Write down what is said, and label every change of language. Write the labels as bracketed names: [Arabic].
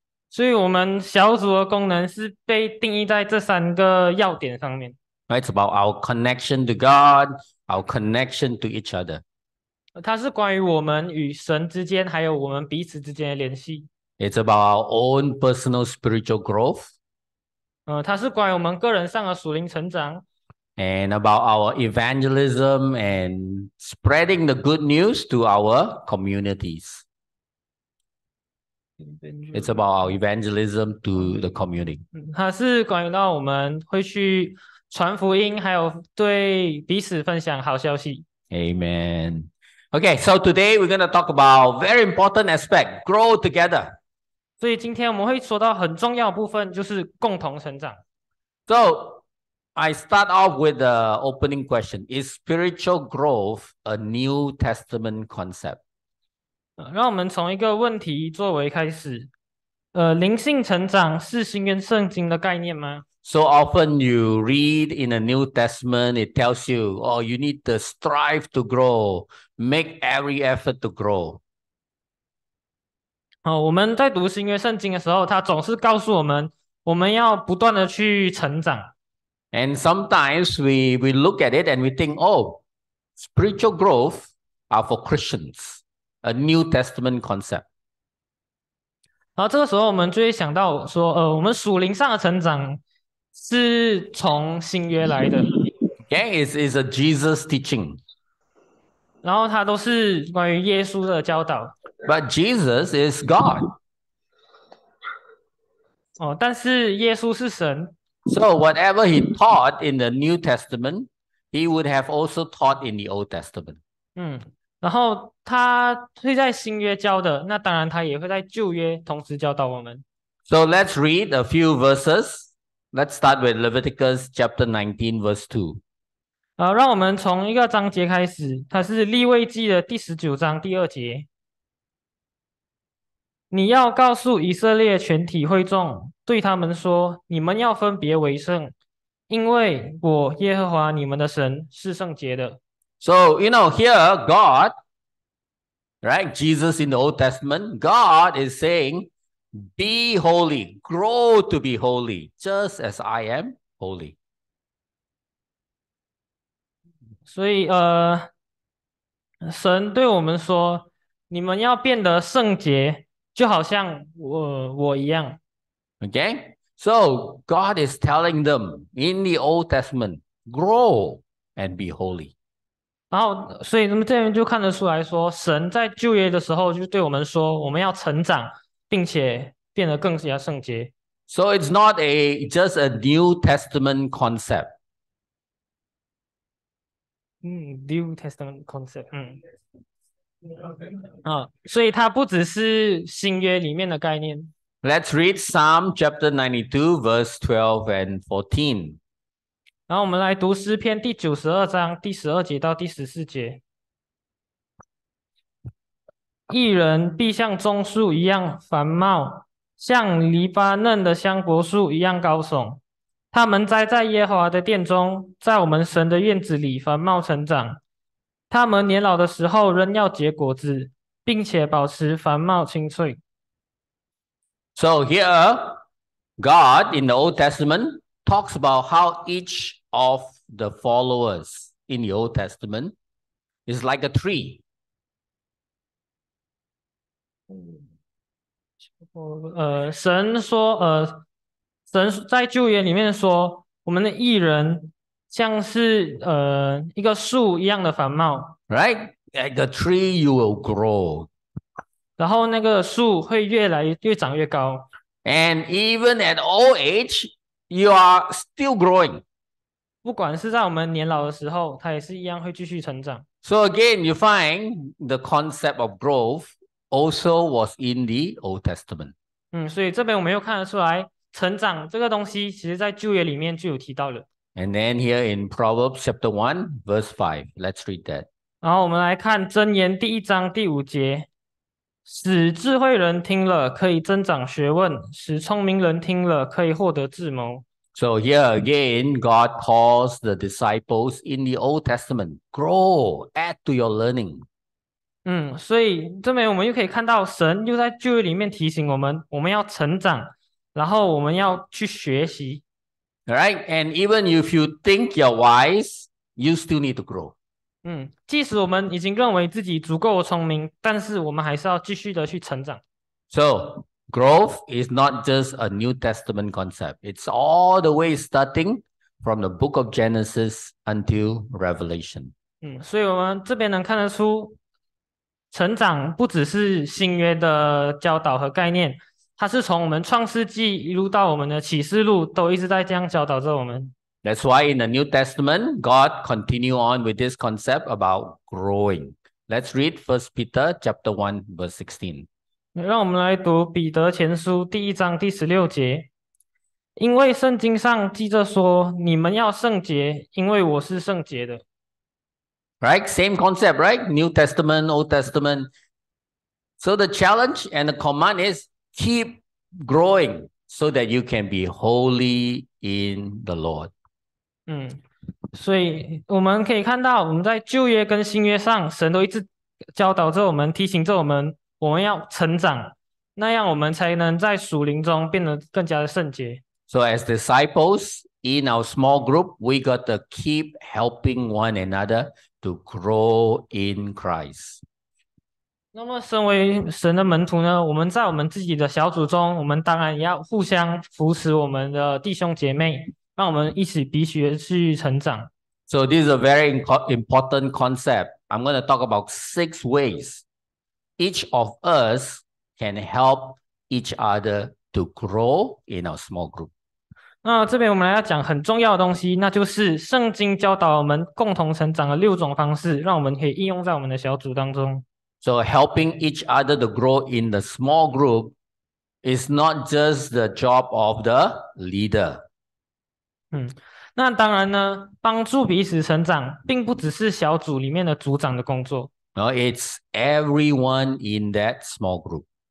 [Chinese] 所以我们小组的功能是被定义在这三个要点上面。 [English] It's about our connection to God, our connection to each other. [Chinese] 它是关于我们与神之间，还有我们彼此之间的联系。 [English] It's about our own personal spiritual growth. [Chinese] 它是关于我们个人上的属灵成长。 [English] And about our evangelism and spreading the good news to our communities. It's about our evangelism to the community. [Chinese] 它是关于到我们会去传福音，还有对彼此分享好消息。 [English] Amen. Okay, so today we're going to talk about very important aspect, grow together. [Chinese] 所以今天我们会说到很重要的部分，就是共同成长。 [English] So, I start off with the opening question. Is spiritual growth a New Testament concept? [Chinese] 让我们从一个问题作为开始。灵性成长是新约圣经的概念吗？ [English] So often you read in the New Testament, it tells you, oh, you need to strive to grow, make every effort to grow. [Chinese] 我们在读新约圣经的时候，他总是告诉我们，我们要不断的去成长。 [English] And sometimes we look at it and we think, oh, spiritual growth are for Christians, a New Testament concept. [Chinese] 然后这个时候，我们就会想到说，我们属灵上的成长是从新约来的， [English] Okay, it's a Jesus teaching. [Chinese] 然后它都是关于耶稣的教导。 [English] But Jesus is God. [Chinese] 哦，但是耶稣是神。 [English] So whatever he taught in the New Testament, he would have also taught in the Old Testament. [Chinese] 然后他会在新约教的，那当然他也会在旧约同时教导我们。 [English] So let's read a few verses. Let's start with Leviticus chapter 19, verse 2. [Chinese] 让我们从一个章节开始，它是利未记的第19章第二节。你要告诉以色列全体会众，对他们说：“你们要分别为圣，因为我耶和华你们的神是圣洁的。 [English] So, you know, here, God, right, Jesus in the Old Testament, God is saying, be holy, grow to be holy, just as I am holy. [Chinese] ”所以，神对我们说：“你们要变得圣洁。” 就好像我一样， [English] Okay, so God is telling them in the Old Testament, grow and be holy. [Chinese] 然后所以这边就看得出来说，神在旧约的时候就对我们说，我们要成长，并且变得更加圣洁。 [English] So it's not a just a New Testament concept. New Testament concept， [Chinese] 所以它不只是新约里面的概念。 [English] Let's read Psalm chapter 92, verse 12 and 14. [Chinese] 然后我们来读诗篇第92章第12节到第14节。一人必像棕树一样繁茂，像黎巴嫩的香柏树一样高耸。他们栽在耶和华的殿中，在我们神的院子里繁茂成长。他们年老的时候仍要结果子，并且保持繁茂青翠。 [English] So here, God in the Old Testament talks about how each of the followers in the Old Testament is like a tree. [Chinese] 神说，神在旧约里面说，我们的义人像是一个树一样的繁茂。 [English] Right? Like a tree, you will grow. [Chinese] 然后那个树会越来越长越高。 [English] And even at old age, you are still growing. [Chinese] 不管是在我们年老的时候，它也是一样会继续成长。 [English] So again, you find the concept of growth also was in the Old Testament. [Chinese] 所以这边我们又看得出来，成长这个东西，其实在旧约里面就有提到了。 [English] And then here in Proverbs chapter 1, verse 5, let's read that. [Chinese] 然后我们来看箴言第1章第5节。使智慧人听了可以增长学问，使聪明人听了可以获得智谋。 [English] So here again, God calls the disciples in the Old Testament, grow, add to your learning. [Chinese] 所以这边我们又可以看到，神又在旧约里面提醒我们，我们要成长，然后我们要去学习。 [English] Right? And even if you think you're wise, you still need to grow. [Chinese] 即使我们已经认为自己足够聪明，但是我们还是要继续的去成长。 [English] So, growth is not just a New Testament concept. It's all the way starting from the book of Genesis until Revelation. [Chinese] 所以我们这边能看得出，成长不只是新约的教导和概念，它是从我们创世纪一路到我们的启示录，都一直在这样教导着我们。 [English] That's why in the New Testament, God continue on with this concept about growing. Let's read 1 Peter chapter 1, verse 16. [Chinese] 让我们来读彼得前书第一章第十六节。因为圣经上记着说，你们要圣洁，因为我是圣洁的。 [English] Right, same concept, right? New Testament, Old Testament. So the challenge and the command is keep growing so that you can be holy in the Lord. [Chinese] 所以我们可以看到，我们在旧约跟新约上，神都一直教导着我们，提醒着我们，我们要成长，那样我们才能在属灵中变得更加的圣洁。 [English] So as disciples in our small group, we got to keep helping one another to grow in Christ. [Chinese] 那么身为神的门徒呢，我们在我们自己的小组中，我们当然要互相扶持我们的弟兄姐妹，让我们一起彼此去成长。 [English] So this is a very important concept. I'm going to talk about six ways each of us can help each other to grow in our small group. [Chinese] 那这边我们来要讲很重要的东西，那就是圣经教导我们共同成长的六种方式，让我们可以应用在我们的小组当中。 [English] So helping each other to grow in the small group is not just the job of the leader. [Chinese] 那当然呢，帮助彼此成长并不只是小组里面的组长的工作。 [English] No, it's everyone in that small group.